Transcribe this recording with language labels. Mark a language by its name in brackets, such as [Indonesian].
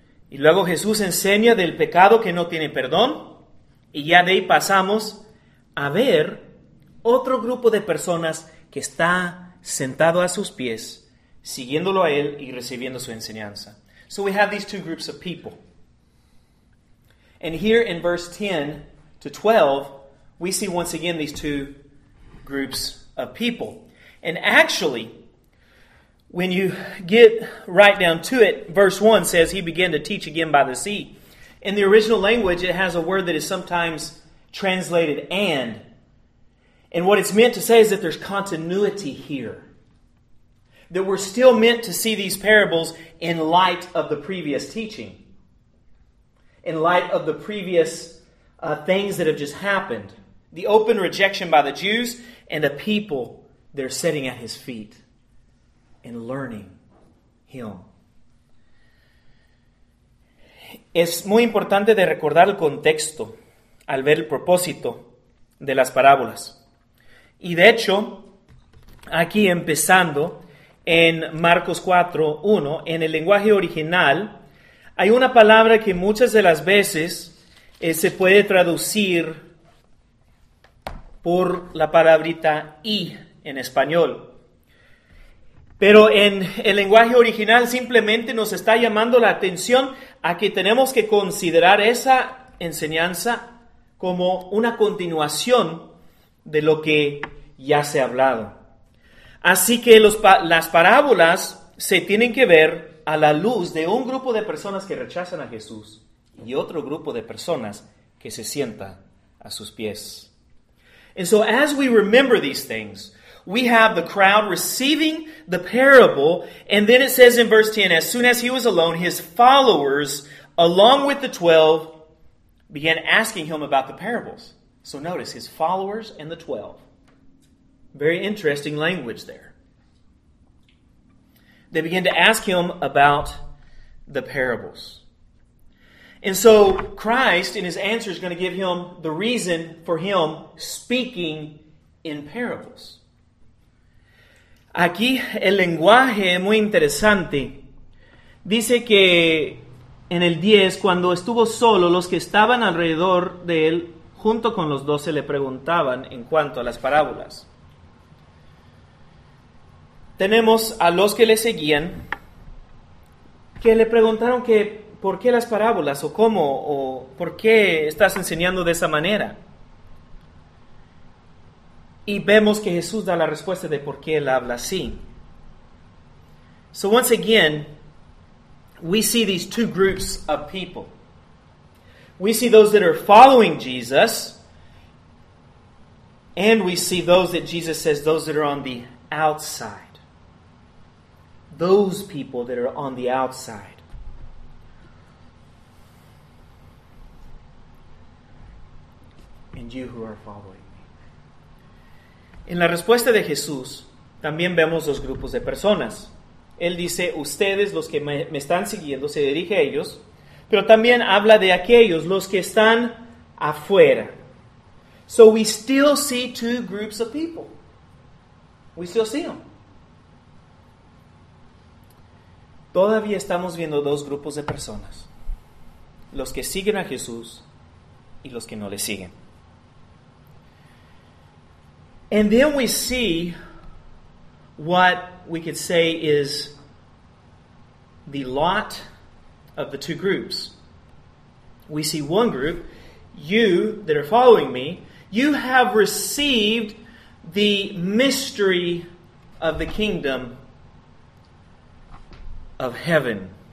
[Spanish] Y luego Jesús enseña del pecado que no tiene perdón, y ya de ahí pasamos a ver otro grupo de personas que está sentado a sus pies, siguiéndolo a él y recibiendo su enseñanza. [English] So we have these two groups of people. And here in verse 10 to 12, we see once again these two groups of people. And actually, when you get right down to it, verse 1 says, he began to teach again by the sea. In the original language, it has a word that is sometimes translated and. And what it's meant to say is that there's continuity here. That we're still meant to see these parables in light of the previous teaching. In light of the previous things that have just happened. The open rejection by the Jews and the people that are sitting at his feet and learning him. [Spanish] Es muy importante de recordar el contexto al ver el propósito de las parábolas. Y de hecho, aquí empezando en Marcos 4:1, en el lenguaje original, hay una palabra que muchas de las veces se puede traducir por la palabrita y en español. Pero en el lenguaje original simplemente nos está llamando la atención a que tenemos que considerar esa enseñanza como una continuación de lo que ya se ha hablado. Así que las parábolas se tienen que ver a la luz de un grupo de personas que rechazan a Jesús y otro grupo de personas que se sienta a sus pies. [English] And so as we remember these things, we have the crowd receiving the parable, and then it says in verse 10, as soon as he was alone, his followers, along with the 12, began asking him about the parables. So notice, his followers and the 12. Very interesting language there. They begin to ask him about the parables. And so Christ, in his answer, is going to give him the reason for him speaking in parables. [Spanish] Aquí el lenguaje es muy interesante. Dice que en el 10, cuando estuvo solo, los que estaban alrededor de él, junto con los 12, le preguntaban en cuanto a las parábolas. Tenemos a los que le seguían, que le preguntaron que por qué las parábolas, o cómo, o por qué estás enseñando de esa manera. Y vemos que Jesús da la respuesta de por qué él habla así. [English] So once again, we see these two groups of people. We see those that are following Jesus, and we see those that Jesus says, those that are on the outside. Those people that are on the outside. And you who are following me. [Spanish] En la respuesta de Jesús, también vemos dos grupos de personas. Él dice, ustedes, los que me están siguiendo, se dirige a ellos. Pero también habla de aquellos, los que están afuera. [English] So we still see two groups of people. We still see them. [Spanish] Todavía estamos viendo dos grupos de personas. Los que siguen a Jesús y los que no le siguen. [English] And then we see what we could say is the lot of the two groups. We see one group, you that are following me, you have received the mystery of the kingdom of heaven.